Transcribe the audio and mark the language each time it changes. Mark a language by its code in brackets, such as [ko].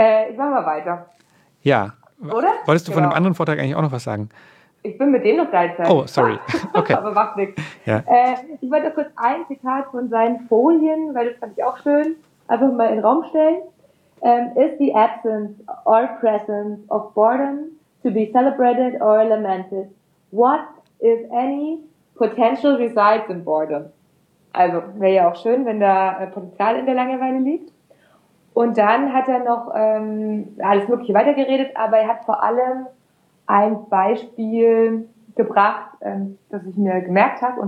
[de] Ich mache mal weiter. Ja. Oder? Wolltest du genau. Von dem anderen Vortrag eigentlich auch noch was sagen? Ich bin mit dem noch gleichzeitig. Oh, sorry. Okay. Aber macht nichts. Ja. Ich wollte kurz ein Zitat von seinen Folien, weil das fand ich auch schön, einfach mal in den Raum stellen. [en] Is the absence or presence of boredom to be celebrated or lamented? What, if any, potential resides in boredom? [de] Also, wäre ja auch schön, wenn da Potenzial in der Langeweile liegt. Und dann hat er noch alles Mögliche weitergeredet, aber er hat vor allem ein Beispiel gebracht, das ich mir gemerkt habe.